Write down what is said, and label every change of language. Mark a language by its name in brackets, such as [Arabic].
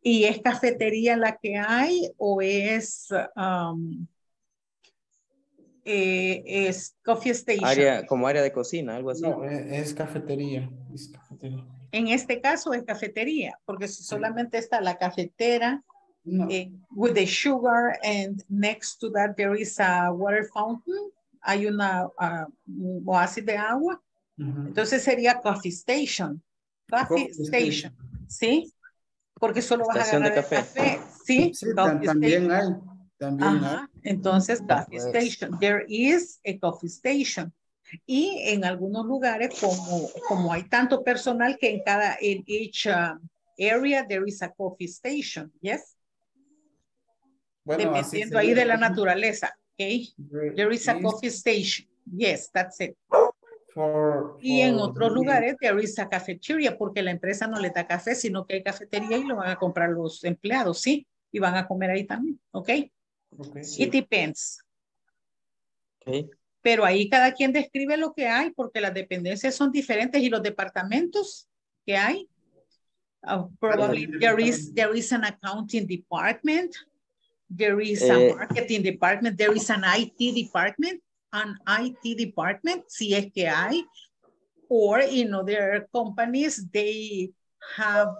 [Spanish] ¿Y es cafetería la que hay o es es coffee station? Área, como área de cocina, algo así. No, es cafetería. Es cafetería. En este caso es cafetería, porque solamente está la cafetera. No. [English] With the sugar and next to that there is a water fountain. [Spanish] Hay una oasis de agua. Uh-huh. Entonces sería coffee station. Coffee station. ¿Sí? Porque solo estación vas a agarrar de café. El café. Sí, también hay. [English] Entonces coffee station. There is a coffee station. [Spanish] Y en algunos lugares, como hay tanto personal, que en [English] each area there is a coffee station. Yes? [Spanish] Bueno, dependiendo ahí de la naturaleza, [English] okay? There is a coffee station. Yes, that's it. [Spanish] Y en otros lugares [English] there is a cafeteria, [Spanish] porque la empresa no le da café, sino que hay cafetería y lo van a comprar los empleados, ¿sí? Y van a comer ahí también, okay? [English] Okay. It depends. Okay. [Spanish] Pero ahí cada quien describe lo que hay, porque las dependencias son diferentes y los departamentos que hay. [English] Probably there is an accounting department. There is a marketing department, there is an IT department, [Spanish] si es que hay, [English] or in other companies, they have